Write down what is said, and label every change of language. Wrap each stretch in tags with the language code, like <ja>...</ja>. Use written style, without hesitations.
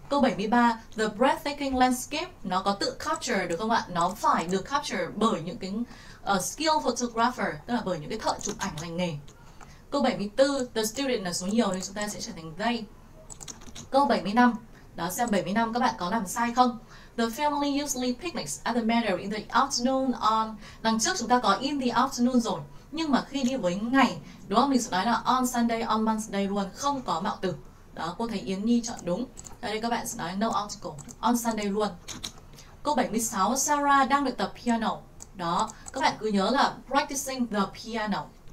<vi>Câu 73, the breathtaking landscape, nó có tự capture được không ạ? Nó phải được capture bởi những cái</vi> <en>skill photographer,</en> <vi>tức là bởi những cái thợ chụp ảnh lành nghề. Câu 74, the student là số nhiều nên chúng ta sẽ trở thành they. Câu 75, đó xem 75 các bạn có làm sai không?</vi> <en>The family usually picnics at the manor in the afternoon on.</en> <vi>Đằng trước chúng ta có in the afternoon rồi, nhưng mà khi đi với ngày, đúng không? Mình sẽ nói là on Sunday, on Monday luôn, không có mạo từ. Đó, cô thấy Yến Nhi chọn đúng. Ở đây các bạn sẽ nói</vi> <en>no article, on Sunday</en> <vi>luôn. Câu 76, Sarah đang luyện tập piano. Đó, các bạn cứ nhớ là</vi> <en>practicing the piano.</en>